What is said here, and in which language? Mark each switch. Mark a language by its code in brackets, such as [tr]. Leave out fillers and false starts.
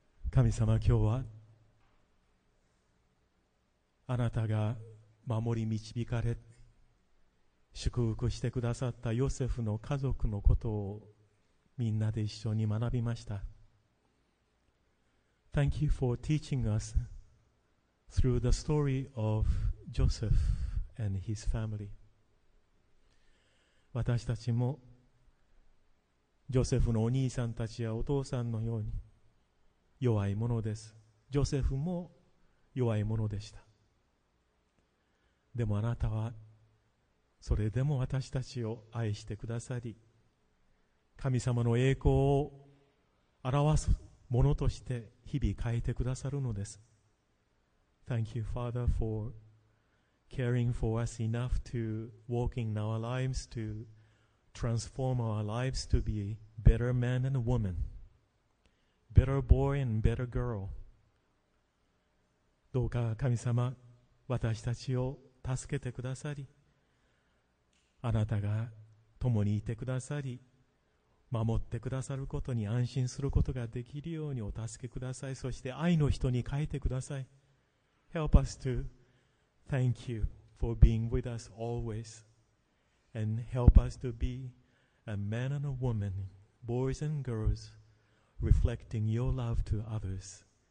[ja] 神様、今日はあなたが守り導かれ祝福してくださったヨセフの家族のことをみんなで一緒に学びました。 [en] Thank you for teaching us through the story of Joseph and his family. [ja] 私たちもジョセフのお兄さんたちやお父さんのように弱いものです。ジョセフも弱いものでした。でもあなたはそれでも私たちを愛してくださり、神様の栄光を表すものとして日々変えてくださるのです。 [en] Thank you, Father, for caring for us enough to walk in our lives, to transform our lives to be better man and woman, better boy and better girl. [ja] どうか神様、私たちを助けてくださり、あなたが共にいてくださり、守ってくださることに安心することができるようにお助けください。そして愛の人に変えてください。 [en] Help us to thank you for being with us always and help us to be a man and a woman, boys and girls, reflecting your love to others.